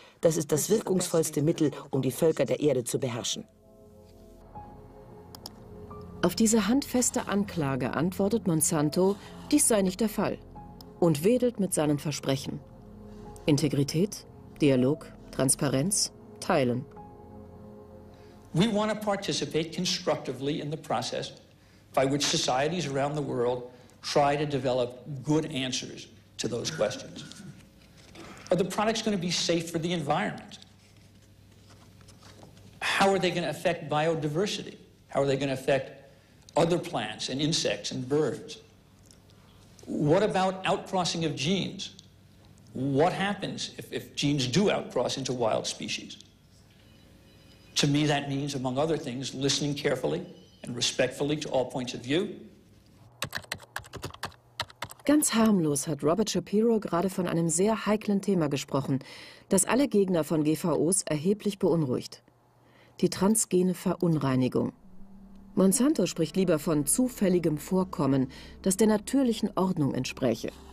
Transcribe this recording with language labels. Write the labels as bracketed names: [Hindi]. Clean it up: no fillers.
[German] Das ist das wirkungsvollste Mittel, um die Völker der Erde zu beherrschen. Auf diese handfeste Anklage antwortet Monsanto, dies sei nicht der Fall, und wedelt mit seinen Versprechen. Integrität, Dialog, Transparenz, teilen. [English] We want to participate constructively in the process by which societies around the world try to develop good answers to those questions. Are the products going to be safe for the environment? How are they going to affect biodiversity? How are they going to affect other plants and insects and birds? What about outcrossing of genes? What happens if genes do outcross into wild species? To me, that means, among other things, listening carefully and respectfully to all points of view. [German] Ganz harmlos hat Robert Shapiro gerade von einem sehr heiklen Thema gesprochen, das alle Gegner von GVOs erheblich beunruhigt. Die transgene Verunreinigung. Monsanto spricht lieber von zufälligem Vorkommen, das der natürlichen Ordnung entspräche.